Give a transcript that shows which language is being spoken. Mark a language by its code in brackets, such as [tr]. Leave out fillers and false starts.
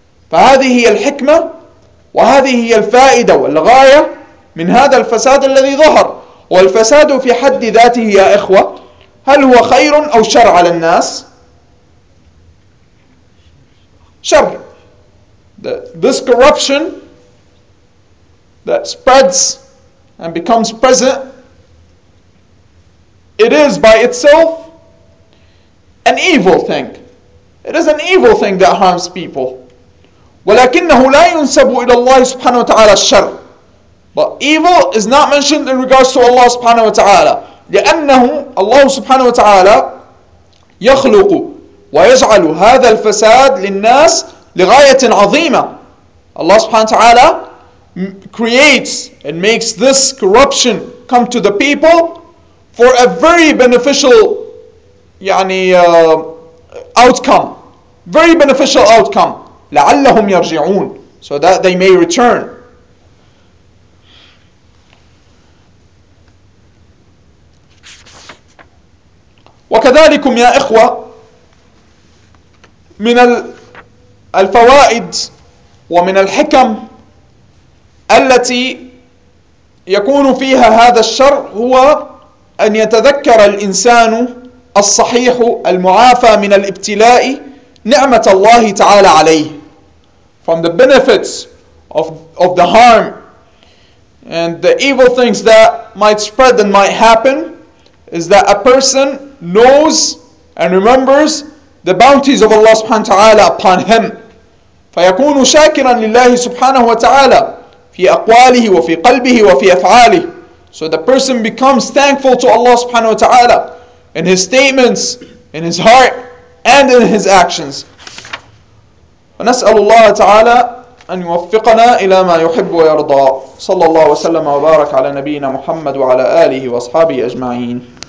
[ar] فهذه هي الحكمة وهذه هي الفائدة والغاية من هذا الفساد الذي ظهر. والفساد في حد ذاته يا إخوة هل هو خير أو شر على الناس؟ شر. [en] This corruption that spreads and becomes present, it is by itself an evil thing. It is an evil thing that harms people. [ar] ولكنه لا ينسب إلى الله سبحانه وتعالى الشر. [en] But evil is not mentioned in regards to Allah سبحانه وتعالى. [ar] لأنه الله سبحانه وتعالى يخلق ويجعل هذا الفساد للناس لغاية عظيمة. [en] Allah سبحانه وتعالى creates and makes this corruption come to the people for a very beneficial يعني outcome. Very beneficial outcome. [ar] لعلهم يرجعون. [en] So that they may return. [ar] وكذلكم يا إخوة من الفوائد ومن الحكم التي يكون فيها هذا الشر هو أن يتذكر الإنسان الصحيح المعافى من الابتلاء نعمة الله تعالى عليه. [en] From the benefits of the harm and the evil things that might spread and might happen is that a person knows and remembers the bounties of Allah subhanahu wa ta'ala upon him. [ar] فيكون شاكرا لله سبحانه وتعالى في أقواله وفي قلبه وفي أفعاله. [en] So the person becomes thankful to Allah subhanahu wa ta'ala in his statements, in his heart, and in his actions. [ar] ونسأل الله تعالى أن يوفقنا إلى ما يحب ويرضى. صلى الله وسلم وبارك على نبينا محمد وعلى آله وأصحابه أجمعين.